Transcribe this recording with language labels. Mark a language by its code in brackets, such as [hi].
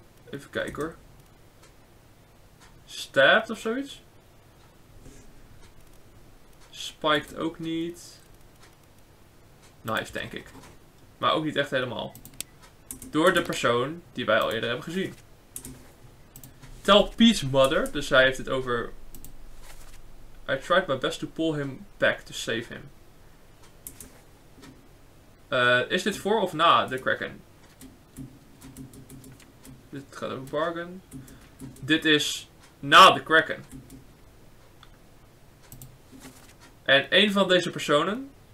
[nl] Even kijken hoor. Stabbed of zoiets? Spiked ook niet. Knife, denk ik. Maar ook niet echt helemaal. Door de persoon die wij al eerder hebben gezien. [en] Tell Pete's mother. [nl] Dus hij heeft het over. [en] I tried my best to pull him back to save him. [nl] Is dit voor of na de Kraken? Dit gaat over Bargain. Dit is na de Kraken. En een van deze personen.